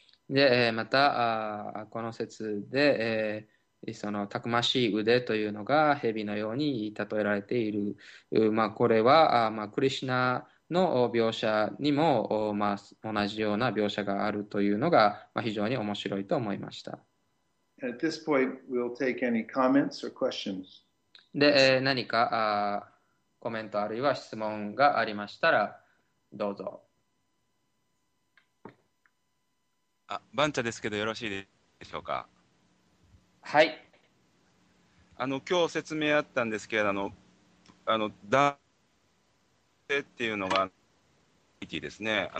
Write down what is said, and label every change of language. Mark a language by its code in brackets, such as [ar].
[ja] で、また、この説で、そのたくましい腕というのが蛇のように例えられている、まあ、これは、まあ、クリシナの描写にも、まあ、同じような描写があるというのが、まあ、非常に面白いと思いました。 [en] At this point, we'll take any comments or questions. [ja] で、何か、コメントあるいは質問がありましたら、どうぞ。あ、番茶ですけどよろしいでしょうか。はい。今日説明あったんですけど、男性っていうのがプロピティですね。